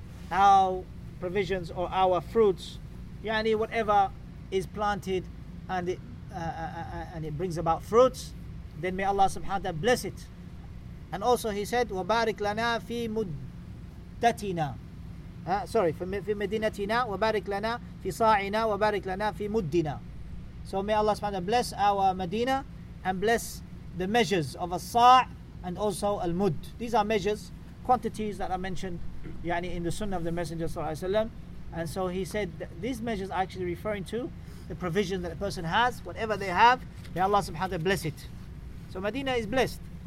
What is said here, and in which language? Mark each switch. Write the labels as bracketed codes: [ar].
[en] Our provisions or our fruits. Yani whatever is planted and it brings about fruits, then may Allah subhanahu wa ta'ala bless it. And also he said, [ar] وَبَارِكْ لَنَا فِي مُدَّتِنَا. [en] Sorry, [ar] فِي مَدِينَتِنَا وَبَارِكْ لَنَا فِي صَاعِنَا وَبَارِكْ لَنَا فِي مُدِّنَا. [en] So may Allah subhanahu wa ta'ala bless our Medina and bless the measures of al-sa' and also al-mud. These are measures, quantities that are mentioned يعني, in the sunnah of the Messenger sallallahu alayhi wa sallam. And so he said, these measures are actually referring to the provision that a person has, whatever they have, may Allah subhanahu wa ta'ala bless it. So Medina is blessed.